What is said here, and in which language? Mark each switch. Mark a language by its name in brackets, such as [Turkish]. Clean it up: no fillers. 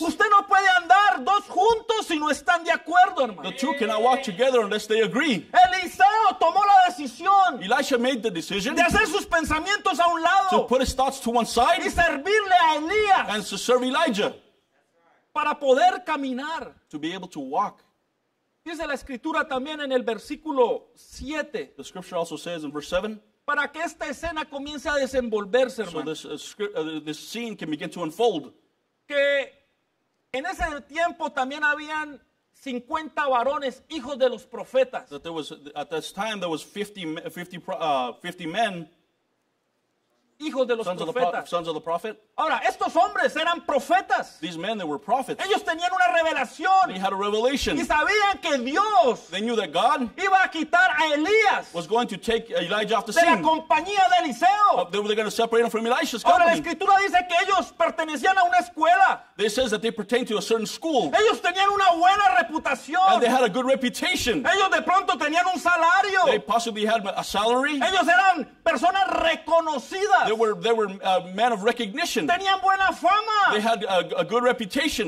[Spanish] Usted no puede andar dos juntos si no están de acuerdo, hermano. [English] The two cannot walk together unless they agree. [Spanish] Eliseo tomó la decisión. [English] Elisha made the decision. [Spanish] De hacer sus pensamientos a un lado. [English] To put his thoughts to one side. [Spanish] Y servirle a Elías. [English] And to serve Elijah. [Spanish] Para poder caminar. [English] To be able to walk. [Spanish] Dice la escritura también en el versículo 7. [English] The scripture also says in verse 7. [Spanish] Para que esta escena comience a desenvolverse, hermano. [English] So this scene can begin to unfold. [Spanish] Que en ese tiempo también habían 50 varones, hijos de los profetas. [English] That there was, at this time there was 50 men. [Spanish] Hijos de los [English] sons [Spanish] profetas. [English] Sons of the prophet. [Spanish] Ahora, estos hombres eran profetas. [English] These men, they were prophets. [Spanish] Ellos tenían una revelación. [English] They had a revelation. [Spanish] Y sabían que Dios, [English] they knew that God [Spanish] iba a quitar a Elías, [English] was going to take Elijah off the [Spanish] de [English] scene. [Spanish] De la compañía de Eliseo. [English] They were going to separate him from Elisha's [Spanish] ahora, [English] company. [Spanish] La escritura dice que ellos pertenecían a una escuela. [English] This says that they pertain to a certain school. [Spanish] Ellos tenían una buena reputación. [English] And they had a good reputation. [Spanish] Ellos de pronto tenían un salario. [English] They possibly had a salary. [Spanish] Ellos eran personas reconocidas. [English] They were men of recognition. [Spanish] Tenían buena fama. [English] They had a good reputation.